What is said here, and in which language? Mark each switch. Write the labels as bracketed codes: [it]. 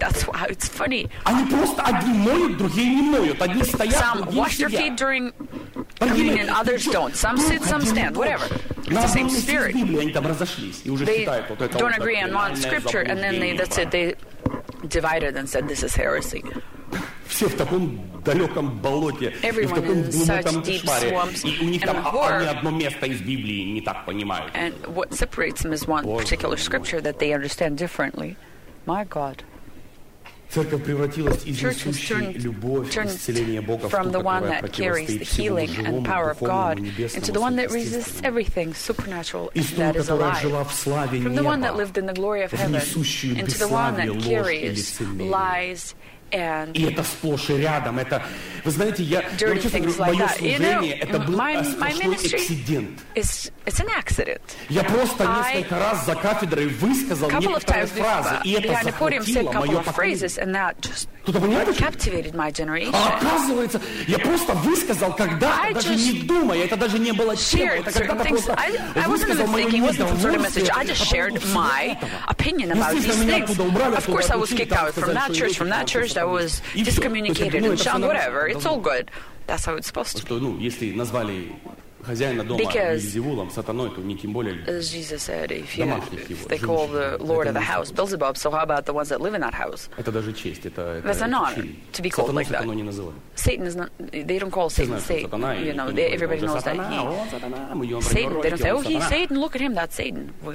[en] That's why it's funny. Some wash their feet during communion, others don't. Some sit, some stand, whatever. It's the same spirit. They don't agree on one scripture, and then they divided and said, this is heresy. [ru] Все в таком далеком болоте, и в таком глубоком кошмаре. И у них там они одно место из Библии не так понимают. [en] And what separates them is one particular scripture that they understand differently. My God. [ru] Церковь превратилась из несущей любовь, исцеление Бога в ту, которая противостоит всему живому, духовному, небесному, сверхъестественному. Из ту, которая жила в славе неба, в несущую бесславие, ложь и лицемерие. И это сплошь и рядом. Это, вы знаете, я вообще говорю, мое служение, это был сплошной эксцидент. [en] It's an accident. [ru] Я просто несколько раз за кафедрой высказал некоторые фразы, и это захватило мое поколение. Кто-то [en] captivated my generation. [ru] А оказывается, я просто высказал когда-то, даже не думая, это даже не было тем, это когда-то просто высказал мое недовольство. [en] I just shared my opinion about these things. Of course, I was kicked out from that church, from that church. I was discommunicated and shunned, whatever. It's all good. That's how it's supposed to be. [ru] Если назвали хозяина дома Бельзевулом, сатаной, то не тем более [en] as Jesus said, if you, if they call the lord of the house Beelzebub, so how about the ones that live in that house? [ru] Это даже честь, это чин. [en] That's an honor to be called like that. [ru] Сатану не называют. [en] Satan is not, they don't call Satan Satan. You know, everybody knows that he, Satan, they don't say, oh, he's Satan, look at him, that's Satan.